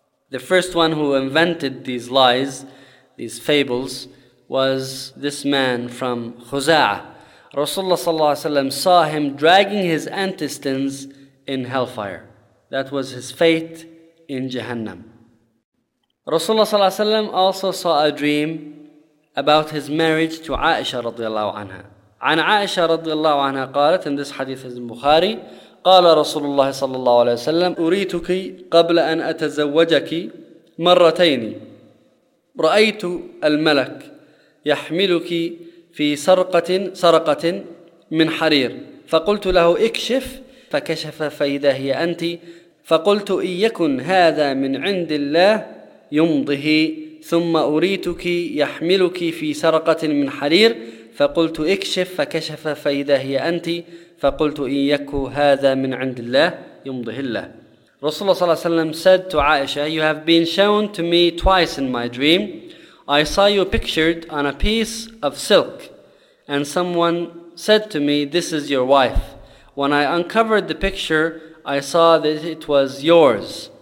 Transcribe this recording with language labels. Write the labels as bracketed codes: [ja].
[en] The first one who invented these lies, these fables, was this man from Khuza'ah. Rasulullah ﷺ saw him dragging his intestines in hellfire. That was his fate in Jahannam. Rasulullah ﷺ also saw a dream about his marriage to Aisha radiallahu anha. An Aisha radiallahu anha qalat, in this hadith is in Bukhari, [ar] قال رسول الله صلى الله عليه وسلم أريتك قبل أن أتزوجك مرتين رأيت الملك يحملك في سرقة من حرير فقلت له اكشف فكشف فإذا هي أنت فقلت إن يكن هذا من عند الله يمضه ثم أريتك يحملك في سرقة من حرير فقلت اكشف فكشف فإذا هي أنت فَقُلْتُ إِنْ يَكُوا هَذَا مِنْ عِنْدِ اللَّهِ يُمْضِهِ اللَّهِ. [en] Rasulullah ﷺ said to Aisha, "You have been shown to me twice in my dream. I saw you pictured on a piece of silk, and someone said to me, 'This is your wife.' When I uncovered the picture, I saw that it was yours.